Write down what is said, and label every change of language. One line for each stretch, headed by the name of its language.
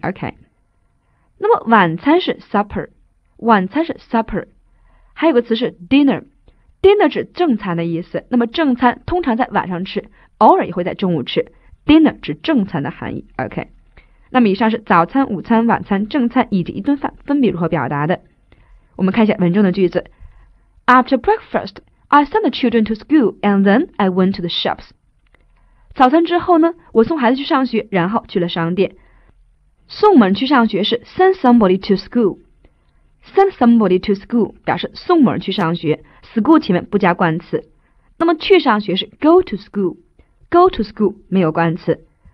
Chinese: OK， 那么晚餐是 supper， 晚餐是 supper， 还有个词是 dinner， dinner 指正餐的意思，那么正餐通常在晚上吃，偶尔也会在中午吃， dinner 指正餐的含义。 OK，那么以上是早餐、午餐、晚餐、正餐以及一顿饭分别如何表达的。我们看一下文中的句子。
English: After breakfast, I sent the children to school, and then I went to the shops.
Chinese: 早餐之后呢，我送孩子去上学，然后去了商店。送我们去上学是
English: send somebody to school. Send somebody to school
Chinese: 表示送我们去上学， school 前面不加冠词。那么去上学是
English: go to school. Go to school
Chinese: 没有冠词。